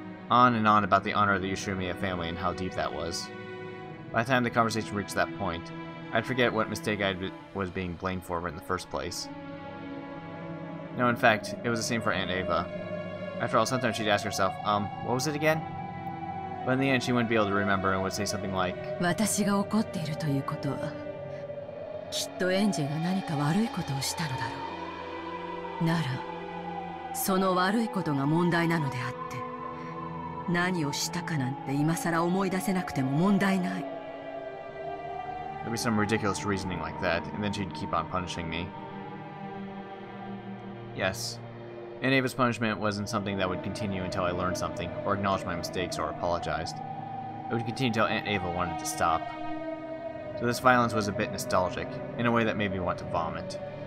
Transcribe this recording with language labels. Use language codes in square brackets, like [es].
[en] On and on about the honor of the Ushirimiya family and how deep that was. By the time the conversation reached that point, I'd forget what mistake I was being blamed for in the first place. No, in fact, it was the same for Aunt Ava. After all, sometimes she'd ask herself, what was it again? But in the end, she wouldn't be able to remember and would say something like, [ja] 私が怒っているということは、きっとエンジェが何か悪いことをしたのだろう。なら、その悪いことが問題なのであって、何をしたかなんて今さら思い出せなくても問題ない。 [en] There'd be some ridiculous reasoning like that, and then she'd keep on punishing me. Yes, Aunt Ava's punishment wasn't something that would continue until I learned something, or acknowledged my mistakes, or apologized. It would continue until Aunt Ava wanted to stop. So this violence was a bit nostalgic, in a way that made me want to vomit.